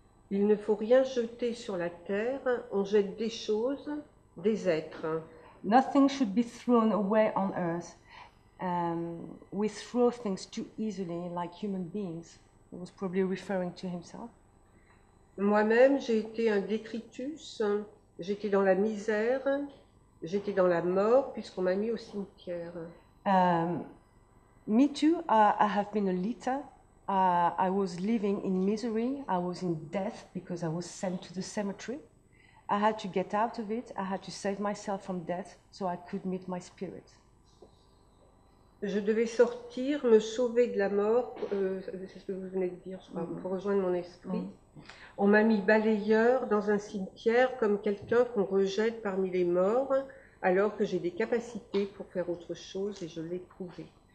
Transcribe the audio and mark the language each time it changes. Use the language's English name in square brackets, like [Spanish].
[French] Il ne faut rien jeter sur la terre, on jette des choses, des êtres. [English] Nothing should be thrown away on earth. We throw things too easily, like human beings. He was probably referring to himself. [French] Moi-même, j'ai été un décritus. J'étais dans la misère. J'étais dans la mort, puisqu'on m'a mis au cimetière. [English] Me too. I have been a litter. I was living in misery. I was in death because I was sent to the cemetery. I had to get out of it. I had to save myself from death so I could meet my spirit. [French] Je devais sortir, me sauver de la mort, c'est ce que vous venez de dire, je crois, pour rejoindre mon esprit. On m'a mis balayeur dans un cimetière comme quelqu'un qu'on rejette parmi les morts, alors que j'ai des capacités pour faire autre chose et je l'ai prouvé.